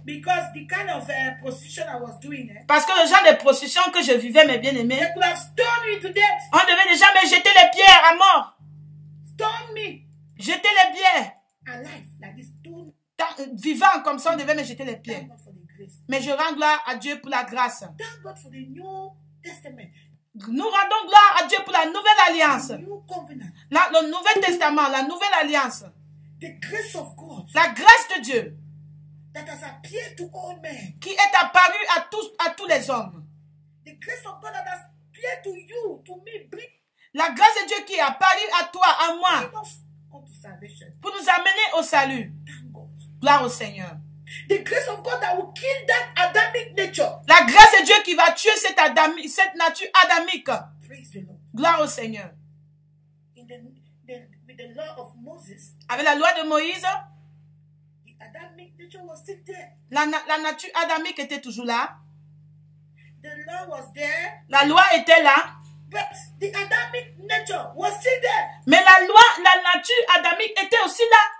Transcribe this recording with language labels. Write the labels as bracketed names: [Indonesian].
[English] Because the kind of prostitution I was doing. [French] Parce que le genre de prostitution que je vivais, mes bien-aimés. [English] They could have stoned me to death. [French] On devait déjà me jeter les pierres à mort. [English] Stone me. [French] Jeter les pierres. [English] Alive, like this stone. [French] Vivant comme ça, on devait me jeter les pierres. [English] Thank God for the grace. [French] Mais je rends gloire à Dieu pour la grâce. [English] Thank God for the New Testament. [French] Nous rendons gloire à Dieu pour la nouvelle alliance. Le Nouveau Testament, la nouvelle alliance. [English] The grace of God. [French] La grâce de Dieu. [English] That has appeared to all men. [French] Qui est apparue à tous les hommes. [English] The grace of God that has appeared to you, to me. [French] La grâce de Dieu qui est apparue à toi, à moi. [English] Salvation. [French] Pour nous amener au salut. Gloire au Seigneur. [English] The grace of God that will kill that Adamic nature. [French] La grâce de Dieu qui va tuer cette nature adamique. [English] Praise the Lord. [French] Gloire au Seigneur. [English] With the law of Moses. [French] Avec la loi de Moïse. [English] The Adamic nature was still there. [French] La nature adamique était toujours là. [English] The law was there. [French] La loi était là. [English] But the Adamic nature was still there. [French] Mais la loi, la nature adamique était aussi là.